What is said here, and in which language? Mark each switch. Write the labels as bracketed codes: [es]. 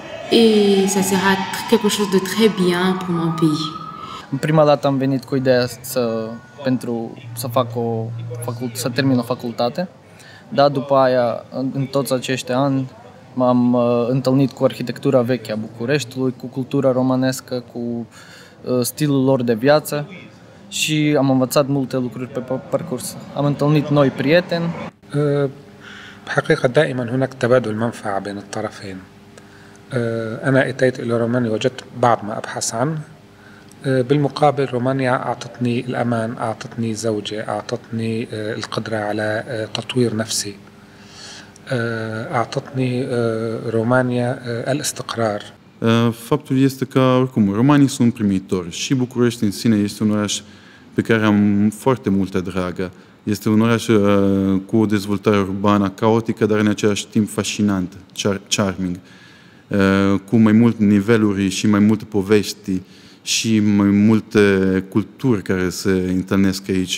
[fr] Et ça sera quelque chose de très bien pour mon pays. [ro] În prima dată am venit cu ideea să, pentru să fac o facultate, să termin o facultate. Dar după aia, în toți acești ani, m-am întâlnit cu arhitectura veche a Bucureștiului, cu cultura romanescă, cu stilul lor de viață și am învățat multe lucruri pe parcurs. Am întâlnit noi prieteni. [ar] حقيقه دائما هناك تبادل منفعه بين الطرفين. انا اتيت الى رومانيا وجدت بعض ما ابحث عنه. بالمقابل رومانيا اعطتني الامان، اعطتني زوجه، اعطتني القدره على تطوير نفسي. اعطتني رومانيا الاستقرار. [ro] Faptul este că, oricum, romanii sunt primitori și București în sine este un oraș pe care am foarte multă dragă. Este un oraș cu o dezvoltare urbană caotică, dar în același timp fascinant, charming, cu mai multe niveluri și mai multe povești și mai multe culturi care se întâlnesc aici.